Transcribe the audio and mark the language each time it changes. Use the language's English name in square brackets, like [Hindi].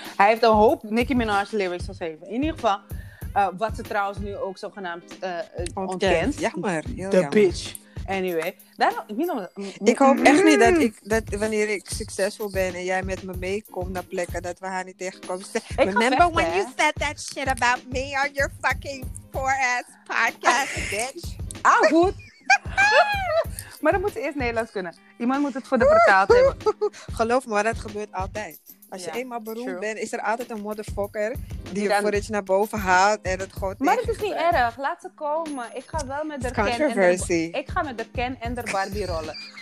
[Dutch] Hij heeft een hoop Nicki Minaj lyrics geschreven. In ieder geval, wat ze trouwens nu ook zogenaamd ontkent. Jammer. [English] The bitch. Anyway, [Dutch] ik hoop echt niet dat wanneer ik succesvol ben en jij met me meekomt naar plekken, dat we haar niet tegenkomen. [English] Remember when you said that shit about me on your fucking poor ass podcast, bitch? [Dutch] Ah, goed. Maar dan moet ze eerst Nederlands kunnen. Iemand moet het voor de vertaald hebben. Geloof me, maar dat gebeurt altijd. Als je eenmaal beroemd bent, is er altijd een motherfucker die je voor iets naar boven haalt en het gewoon. Maar het is niet erg. Laat ze komen. Ik ga wel met de [English] controversy. [Dutch] Ik ga met de Ken en de Barbie rollen.